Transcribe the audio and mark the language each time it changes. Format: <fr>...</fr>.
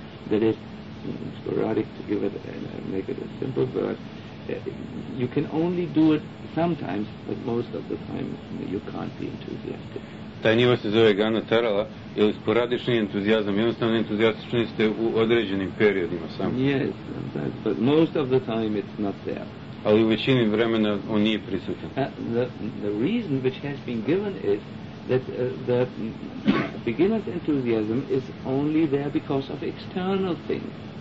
<en>That is sporadic, to give it and make it a simple word. You can only do it sometimes, but most of the time you can't be enthusiastic.</en> <hr>Taj nivo se zove Ganatarala ili sporadični entuzijazam. Jednostavno entuzijastični ste u određenim periodima samo.</hr> <en>Yes, sometimes, but most of the time it's not there.</en> <hr>Ali u većini vremena on nije prisutan.</hr> <en>The reason which has been given is that the beginner's enthusiasm is only there because of external things.</en>